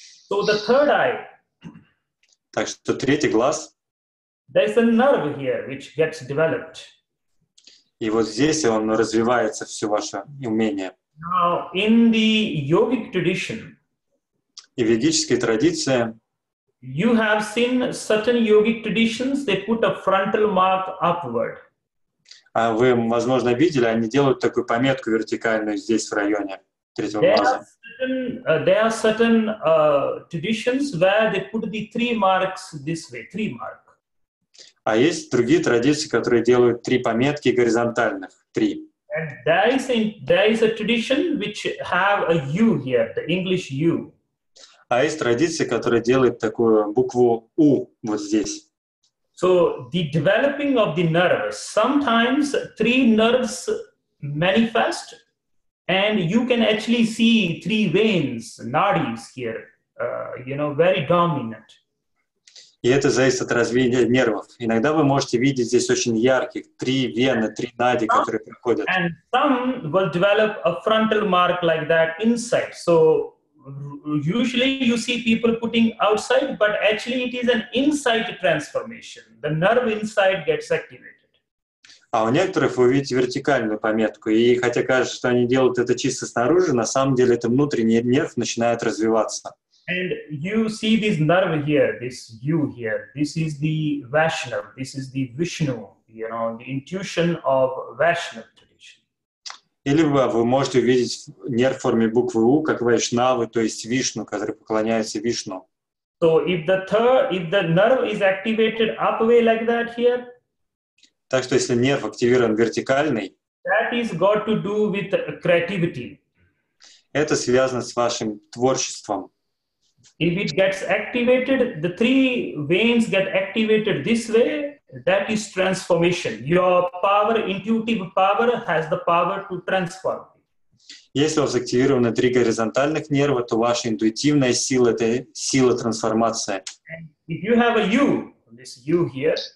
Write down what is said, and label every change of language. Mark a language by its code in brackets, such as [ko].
[en] So the third eye. [ru] Так что третий глаз. [en] There is a nerve here which gets developed. [ru] И вот здесь он развивается все ваше умение. [en] Now, in the yogic tradition, [ru] и в ведической традиции, [en] you have seen certain yogic traditions, they put a frontal mark upward. [ru] А вы, возможно, видели, они делают такую пометку вертикальную здесь, в районе третьего глаза. [en] There are certain traditions where they put the three marks this way, three mark. [ru] А есть другие традиции, которые делают три пометки горизонтальных, три. [en] And there is a tradition which have a U here, the English U. [ru] А есть традиции, которые делают такую букву U вот здесь. [en] So the developing of the nerves, sometimes three nerves manifest, and you can actually see three veins, nadis here, very dominant. [ru] И это зависит от развития нервов. Иногда вы можете видеть здесь очень ярких три вены, три нади, которые проходят. [en] And some will develop a frontal mark like that inside. So usually you see people putting outside, but actually it is an inside transformation. The nerve inside gets activated. [ru] А у некоторых вы видите вертикальную пометку. И хотя кажется, что они делают это чисто снаружи, на самом деле это внутренний нерв начинает развиваться. [en] And you see this nerve here, this U here. This is the Vaishnava, this is the Vishnu, the intuition of Vaishnava tradition. [ru] Или вы можете увидеть нерв в форме буквы У, как Вайшнавы, то есть Вишну, который поклоняется Вишну. [en] So if the nerve is activated up way like that here, [ru] так что если нерв активирован вертикальный, [en] that is got to do with creativity. [ru] Это связано с вашим творчеством. [en] If it gets activated, the three veins get activated this way, that is transformation. Your power, intuitive power, has the power to transform. [ru] Если у вас активированы три горизонтальных нерва, то ваша интуитивная сила — это сила трансформации. [en] If you have a U, this U here,